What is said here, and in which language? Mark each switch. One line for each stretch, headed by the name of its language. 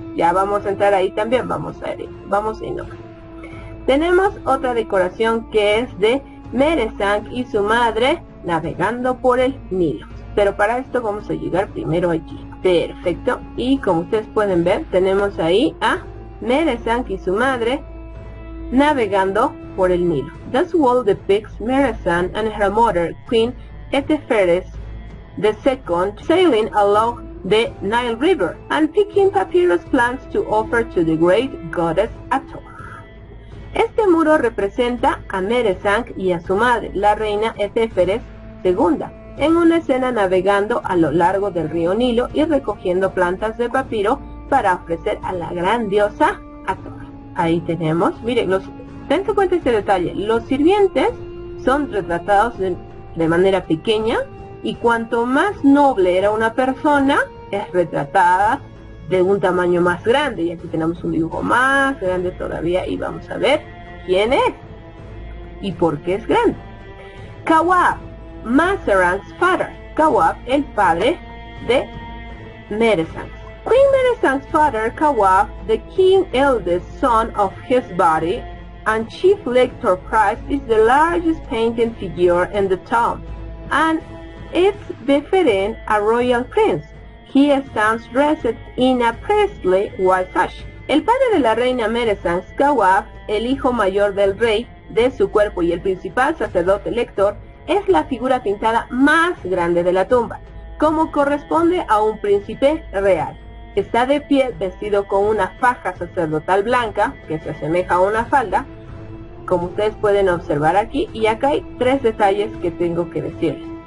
Spanish: Ya vamos a entrar ahí también, vamos a irnos. Tenemos otra decoración que es de Meresang y su madre navegando por el Nilo. Pero para esto vamos a llegar primero allí. Perfecto. Y como ustedes pueden ver, tenemos ahí a Meresang y su madre navegando por el Nilo.
English: This wall depicts Meresang and her mother, Queen Eteferes II, sailing along the Nile River and picking papyrus plants to offer to the great goddess Hathor.
Spanish: Este muro representa a Meresang y a su madre, la reina Eteferes II, en una escena navegando a lo largo del río Nilo y recogiendo plantas de papiro para ofrecer a la gran diosa Hathor. Ahí tenemos, miren, dense cuenta este detalle, los sirvientes son retratados de manera pequeña, y cuanto más noble era una persona, es retratada de un tamaño más grande, y aquí tenemos un dibujo más grande todavía, y vamos a ver quién es, y por qué es grande.
English: Kawab, Maserang's father.
Spanish: Kawab, el padre de Meresang.
English: Queen Meresang's father, Kawab, the king's eldest son of his body and chief lector prize, is the largest painted figure in the tomb, and it's befitting a royal prince. He stands dressed in a priestly white sash.
Spanish: El padre de la reina Meresang, Kawab, el hijo mayor del rey, de su cuerpo y el principal sacerdote lector, es la figura pintada más grande de la tumba, como corresponde a un príncipe real. Está de pie, vestido con una faja sacerdotal blanca, que se asemeja a una falda, como ustedes pueden observar aquí, y acá hay tres detalles que tengo que decirles.